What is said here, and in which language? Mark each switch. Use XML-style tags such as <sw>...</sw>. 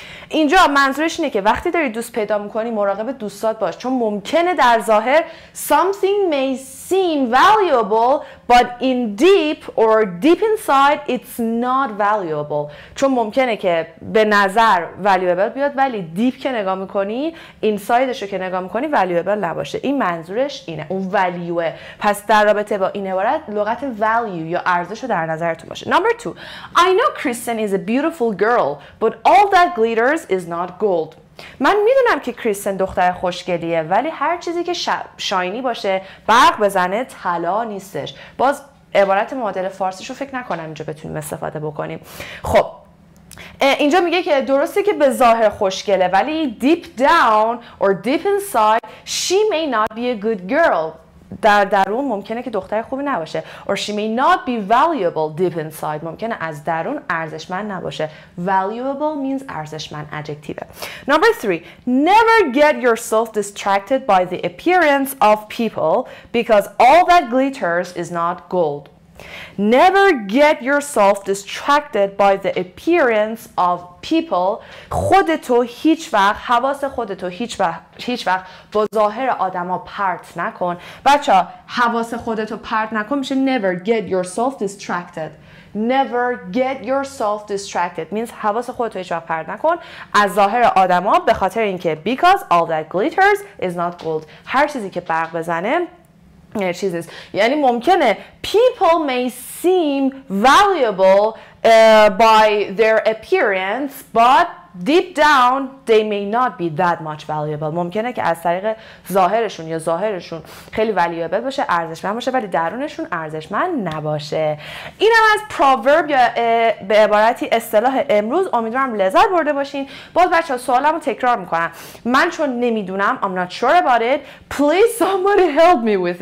<fa>اینجا منظورش اینه که وقتی داری دوست پیدا میکنی مراقب دوستات باش، چون ممکنه در ظاهر</fa> <en>Something may seem valuable but in deep or deep inside it's not valuable.</en> <fa>چون ممکنه که به نظر valuable بیاد ولی deep که نگاه میکنی insideشو که نگاه میکنی valuable نباشه. این منظورش اینه، اون value. پس در رابطه با این عبارت لغت value یا ارزشو در نظرتون باشه.</fa> <en>Number two, I know Kristen is a beautiful girl but all that glitter is not gold.</en> <fa>من میدونم که کریستن دختر خوشگلیه ولی هر چیزی که شاینی باشه برق بزنه طلا نیستش. باز عبارت معادل فارسیش رو فکر نکنم اینجا بتونیم استفاده بکنیم. خب اینجا میگه که درسته که به ظاهر خوشگله ولی</fa> <en>deep down or deep inside she may not be a good girl.</en> <fa>در درون ممکنه که دختر خوبی نباشه.</fa> <en>Or she may not be valuable deep inside.</en> <fa>ممکنه از درون ارزشمند نباشه.</fa> <en>Valuable means</en> <fa>ارزشمند adjective.</fa> <en>Number 3. Never get yourself distracted by the appearance of people because all that glitters is not gold. Never get yourself distracted by the appearance of people.</en> <fa>خودتو هیچ وقت، حواس خودتو هیچ وقت، با ظاهر آدما پرت نکن. بچه‌ها حواس خودتو پرت نکن میشه</fa> <en>never get yourself distracted. Never get yourself distracted means</en> <fa>حواس خودتو هیچ وقت پرت نکن از ظاهر آدما به خاطر اینکه</fa> <en>because all that glitters is not gold.</en> <fa>هر چیزی که برق بزنه چیزیست. یعنی ممکنه</fa> <en>people may seem valuable by their appearance but deep down they may not be that much valuable.</en> <fa>ممکنه که از طریق ظاهرشون یا ظاهرشون خیلی valuable باشه، ارزشمند باشه، ولی درونشون ارزشمند نباشه. اینم از proverb یا به عبارتی اصطلاح امروز. امیدوارم لذت برده باشین. باز بچه ها سوالم رو تکرار میکنم، من چون نمیدونم</fa> <en>I'm not sure about it, please somebody help me with it.</en>